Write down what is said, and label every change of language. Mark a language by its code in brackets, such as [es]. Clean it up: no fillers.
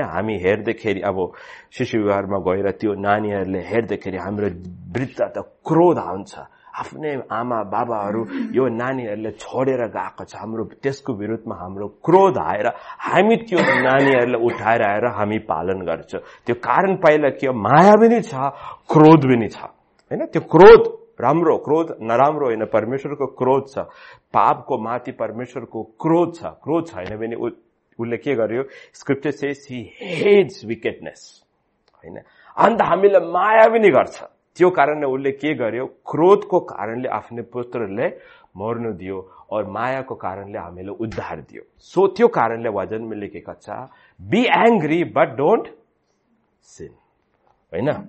[ne] हामी हेर्दाखेरि अब शिशु विहारमा गएर त्यो नानीहरूले हेर्दाखेरि हाम्रो वृद्ध त क्रोध आउँछ, आफ्नै आमा बाबाहरू यो नानीहरूले छोडेर गएको छ, हाम्रो त्यसको विरुद्धमा हाम्रो क्रोध आएर हामी त्यो नानीहरूलाई उठाएर आएर हामी पालन गर्छ। त्यो कारण पहिला के हो? माया पनि छ, क्रोध पनि छ होइन? त्यो क्रोध राम्रो, क्रोध नराम्रो होइन, परमेश्वरको क्रोध छ, पापको माथि परमेश्वरको क्रोध छ। क्रोध छैन भने उसले के गर्यो? [en] scripture says he hates wickedness [ne] होइन? अन्त हामीले माया पनि गर्छ, त्यो कारणले उसले के गर्यो? क्रोधको कारणले आफ्नो पुत्रले मर्नु दियो, और मायाको कारणले हामीले उद्धार दियो। सो त्यो कारणले वचनमा लेखेको छ, [en] be angry but don't sin [ne] होइन?